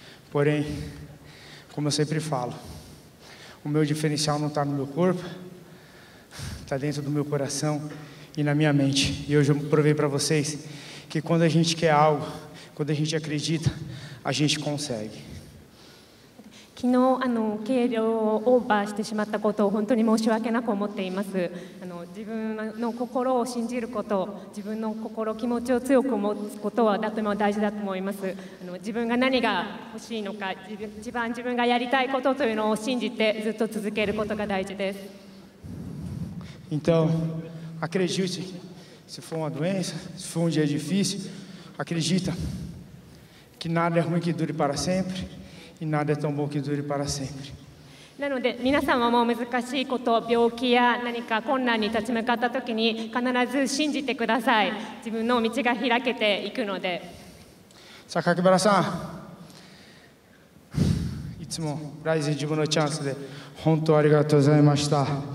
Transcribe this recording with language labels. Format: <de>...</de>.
<pt>Porém, como eu sempre falo, o meu diferencial não está no meu corpo, está dentro do meu coração e na minha mente. E hoje eu provei para vocês que quando a gente quer algo, quando a gente acredita, a gente consegue.</pt> <ja>昨日計量をオーバーしてしまったことを本当に申し訳なく思っています。自分の心を信じること、自分の心気持ちを強く持つことはとても大事だと思います。自分が何が欲しいのか、一番自分がやりたいことというのを信じてずっと続けることが大事です。</ja> <pt>Então, acredite, se for uma doença, se for um dia difícil, acredita que nada é ruim que dure para sempreNada é tão bom que dure para sempre.</pt> <ja>なので皆様も難しいこと、病気や何か困難に立ち向かったときに必ず信じてください。自分の道が開けていくので。榊原さん、いつもライズ自分のチャンスで本当ありがとうございました。</ja>